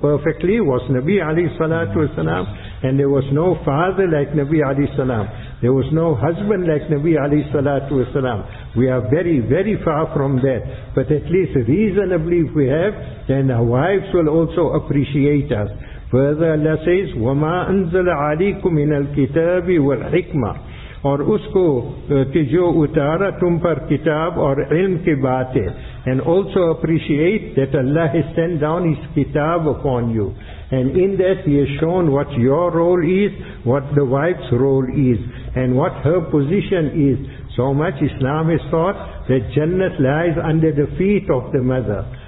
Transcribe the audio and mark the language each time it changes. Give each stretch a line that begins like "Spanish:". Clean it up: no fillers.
English: Perfectly was Nabi alayhi salatu wasalam, and there was no father like Nabi alayhi salam. There was no husband like Nabi alayhi salatu wasalam. We are very, very far from that. But at least reasonably if we have, then our wives will also appreciate us. Further Allah says,
Arabic: وَمَا أَنزَلَ عَلَيْكُمْ مِنَ الْكِتَابِ وَالْحِكْمَةِ
Urdu: اور اس کو کہ جو اتارا تم پر کتاب اور علم کے باتیں.
English: And also appreciate that Allah has sent down His kitab upon you. And in that He has shown what your role is, what the wife's role is, and what her position is. So much Islam has taught that Jannat lies under the feet of the mother.